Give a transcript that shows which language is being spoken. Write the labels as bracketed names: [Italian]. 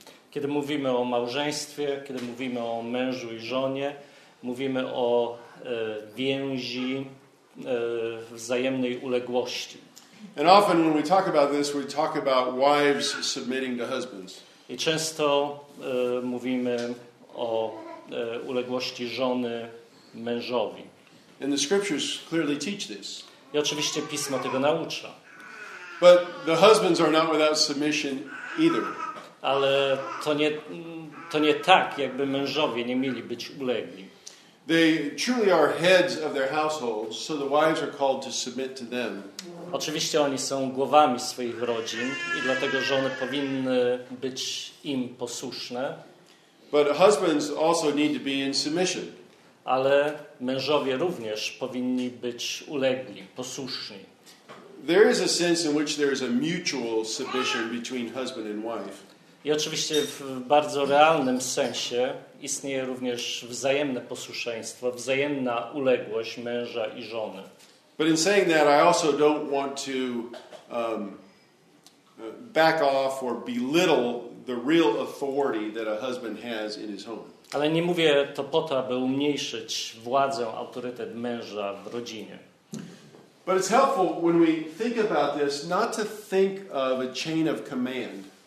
[Polish] Kiedy mówimy o małżeństwie, kiedy mówimy o mężu i żonie, mówimy o więzi wzajemnej uległości. [English] And often when we talk about this, we talk about wives submitting to husbands. [Polish] I często mówimy o uległości żony mężowi. [English] And the scriptures clearly teach this. [Polish] I oczywiście Pismo tego naucza. [English] But the husbands are not without submission either. [Polish] Ale to nie tak, jakby mężowie nie mieli być ulegli. [English] They truly are heads of their households, so the wives are called to submit to them. [Polish] Oczywiście oni są głowami swoich rodzin i dlatego żony powinny być im posłuszne. [English] But husbands also need to be in submission. [Polish] Ale mężowie również powinni być ulegli, posłuszni. [English] There is a sense in which there is a mutual submission between husband and wife. [Polish] I oczywiście w bardzo realnym sensie istnieje również wzajemne posłuszeństwo, wzajemna uległość męża i żony. [English] But in saying that, I also don't want to back off or belittle the real authority that a husband has in his home. [Polish] Ale nie mówię to po to, aby umniejszyć władzę, autorytet męża w rodzinie. [English] But it's helpful when we think about this not to think of a chain of command.